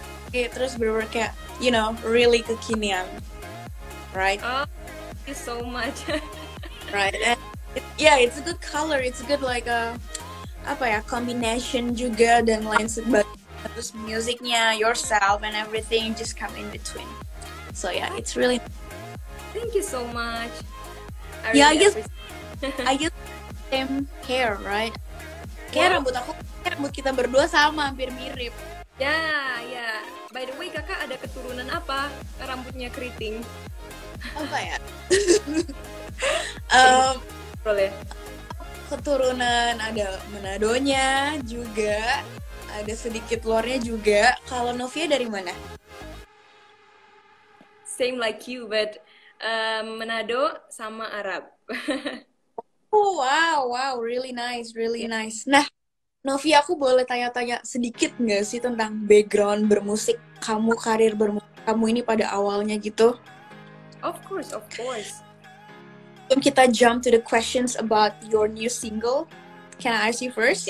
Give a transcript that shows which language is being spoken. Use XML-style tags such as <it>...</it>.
<id>Okay, terus bener-bener kayak,</id> <en>you know, really</en> <id>kekinian, right?</id> <en>Oh, thank you so much. Right. It's a good color. It's a good like a</en> <id>apa ya</id> <en>combination</en> <id>juga dan lain sebagainya. Terus musiknya,</id> <en>yourself and everything just come in between. So yeah, it's really. Thank you so much. I guess same hair, right?</en> <id>Kayak rambut aku, rambut kita berdua sama, hampir mirip. Ya, ya.</id> <en>By the way,</en> <id>kakak ada keturunan apa? Rambutnya keriting. Apa ya? Boleh. Keturunan ada Manadonya juga, ada sedikit luarnya juga. Kalau Novia dari mana? Same like you, but Manado sama Arab.</id> <en>Wow, really nice, really nice.</en> <id>Nah, Novi, aku boleh tanya-tanya sedikit nggak sih tentang background bermusik kamu, karir bermusik kamu ini pada awalnya gitu?</id> <en>Of course.</en> <id>Sebelum kita</id> <en>jump to the questions about your new single, can I ask you first?</en>